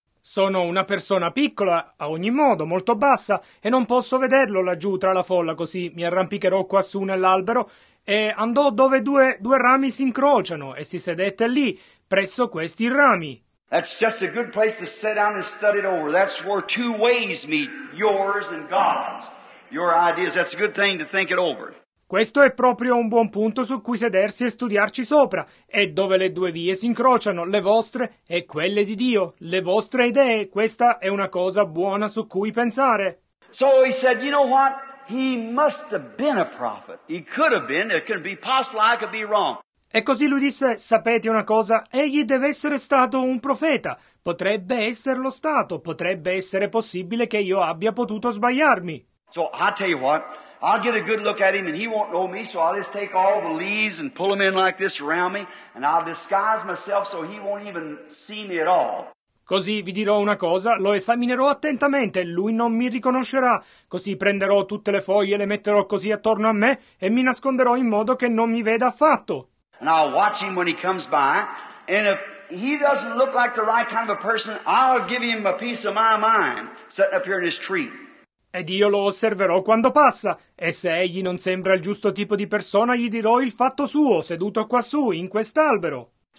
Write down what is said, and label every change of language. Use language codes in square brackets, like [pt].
[it] Sono una persona piccola, a ogni modo, molto bassa, e non posso vederlo laggiù tra la folla, così mi arrampicherò quassù nell'albero. E andò dove due rami si incrociano, e si sedette lì, presso questi rami. [en] That's just a good place to sit down and study it over. That's where two ways meet, yours and God's. Your ideas, that's a good thing to think it over. [it] Questo è proprio un buon punto su cui sedersi e studiarci sopra, e dove le due vie si incrociano, le vostre e quelle di Dio, le vostre idee, questa è una cosa buona su cui pensare. [en] So he said, you know what? He must have been a prophet. He could have been, it could be possible, I could be wrong. [it] E così lui disse, sapete una cosa? Egli deve essere stato un profeta. Potrebbe esserlo stato, potrebbe essere possibile che io abbia potuto sbagliarmi. [en] So I tell you what. I'll get a good look at him and he won't know me, so I'll just take all the leaves and pull them in like this around me and I'll disguise myself so he won't even see me at all. [it] Così vi dirò una cosa, lo esaminerò attentamente e lui non mi riconoscerà. Così prenderò tutte le foglie, le metterò così attorno a me e mi nasconderò in modo che non mi veda affatto. [en] And I'll watch him when he comes by and if he doesn't look like the right kind of a person, I'll give him a piece of my mind sitting up here in his tree. [it] Ed io lo osserverò quando passa, e se egli non sembra il giusto tipo di persona, gli dirò il fatto suo, seduto quassù, in quest'albero.